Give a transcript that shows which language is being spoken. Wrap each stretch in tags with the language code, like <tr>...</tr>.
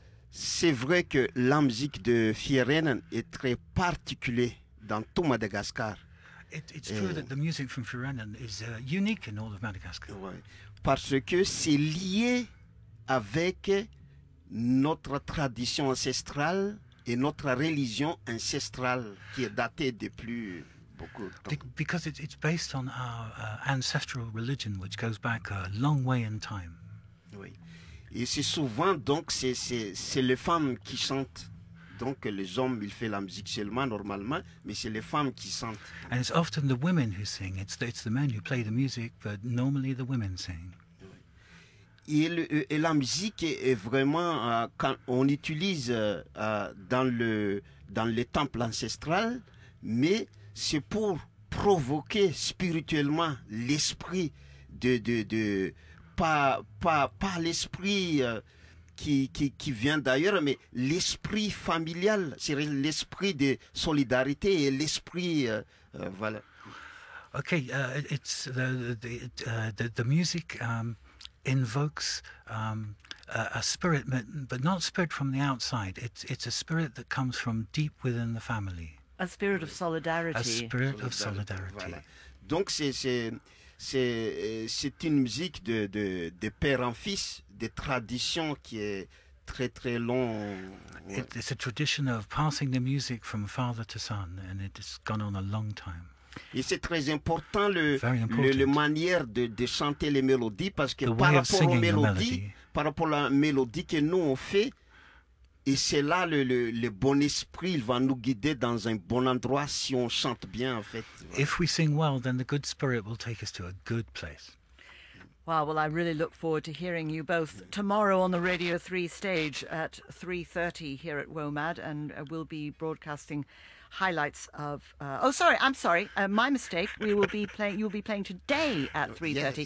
<fr>C'est vrai que la musique de Fierenan est très particulière dans tout Madagascar.</fr> <en>It's true that the music from Fierenan is unique in all of Madagascar.</en> <fr>Oui. Parce que c'est lié avec notre tradition ancestrale et notre religion ancestrale qui est datée de plus beaucoup de temps.</fr> <en>Because it's based on our ancestral religion, which goes back a long way in time.</en> <fr>Oui. Et c'est souvent, donc, c'est les femmes qui chantent. Donc, les hommes, ils font la musique seulement, normalement, mais c'est les femmes qui chantent.</fr> <en>And it's often the women who sing. It's the men who play the music, but normally the women sing.</en> <fr>Et la musique est vraiment, quand on utilise dans les temples ancestrales, mais c'est pour provoquer spirituellement l'esprit de pas l'esprit qui vient d'ailleurs, mais l'esprit familial, c'est l'esprit de solidarité et l'esprit, voilà.</fr> <en>Ok, it's the music invokes a spirit, but not spirit from the outside. It's a spirit that comes from deep within the family. A spirit of solidarity. A spirit of solidarity.</en> <fr>Voilà. Donc c'est une musique de père en fils, de tradition qui est très très long.</fr> <en>It's a tradition of passing the music from father to son, and it's gone on a long time.</en> <fr>Et c'est très important le manière de chanter les mélodies, parce que par rapport à la mélodie que nous on fait, et c'est là le bon esprit, il va nous guider dans un bon endroit si on chante bien, en fait.</fr> <en>If we sing well, then the good spirit will take us to a good place. Wow, well, I really look forward to hearing you both tomorrow on the Radio 3 stage at 3:30 here at WOMAD, and we'll be broadcasting highlights of my mistake. You'll be playing today at 3:30.</en>